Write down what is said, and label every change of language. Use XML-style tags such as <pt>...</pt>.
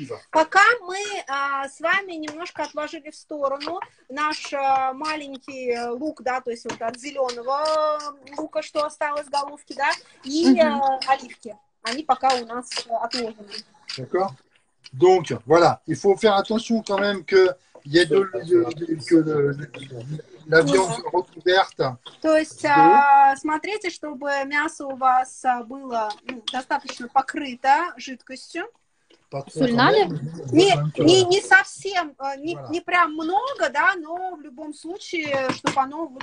<ru>Пока мы с вами немножко отложили в сторону наш маленький лук, да, то есть вот от зеленого лука, что осталось в головке, да, и оливки. Они пока у нас отложены.</ru> <fr>Donc voilà, il faut faire attention quand même que il y ait que la viande recouverte.</fr> <ru>То есть смотрите, чтобы мясо у вас было достаточно покрыто жидкостью. Сульнали? Не совсем, не прям много, да, но в любом случае, чтобы оно.</ru>